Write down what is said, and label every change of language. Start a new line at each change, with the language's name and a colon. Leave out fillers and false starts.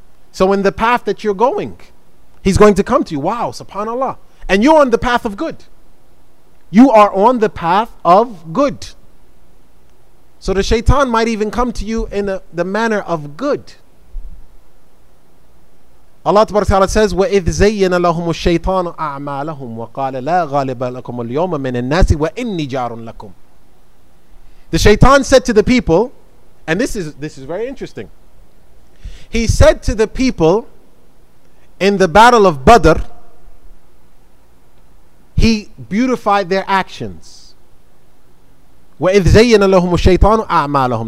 English: So in the path that you're going, he's going to come to you. Wow, subhanAllah. And you're on the path of good. You are on the path of good. So the shaitan might even come to you in the manner of good. Allah Tabarak Ta'ala says,
Arabic: وَإِذْ زَيَّنَ لَهُمُ الشَّيْطَانُ أَعْمَالَهُمْ وَقَالَ لَا غَالِبَ لَكُمُ الْيَوْمَ مِنَ النَّاسِ وَإِنِّي جَارٌ لَكُمْ.
English: The shaitan said to the people, and this is very interesting. He said to the people in the battle of Badr, he beautified their actions.
Arabic: وَإِذْ زَيَّنَ لَهُمُ الشَّيْطَانُ أَعْمَالَهُمْ.